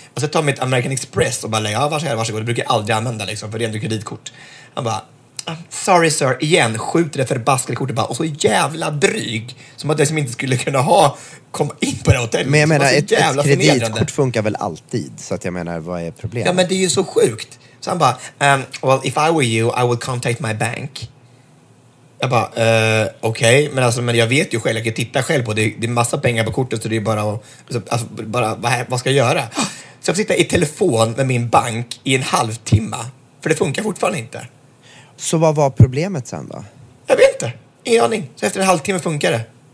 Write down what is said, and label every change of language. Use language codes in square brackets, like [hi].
[sv] Och så tar mitt American Express och bara lägger. Ja, varsågod. Det brukar jag aldrig använda, liksom, för det är ändå kreditkort. Han bara... [en] Sorry sir, [sv] igen, skjuter det förbaskade kortet bara. Och så jävla dryg. Som att det som inte skulle kunna ha komma in på det hotellet. Men jag menar, ett kreditkort funkar väl alltid. Så att jag menar, vad är problemet? Ja, men det är ju så sjukt. Så han bara, [en] well if I were you, I would contact my bank. [sv] Jag bara, okej, okay. men jag vet ju själv, jag kan titta själv på det. Det är massa pengar på kortet, så det är bara, vad ska jag göra? Så jag får sitta i telefon med min bank i en halvtimme. För det funkar fortfarande inte. Så vad var problemet sen då? Jag vet inte. Ingen aning. Så efter en halvtimme funkar det.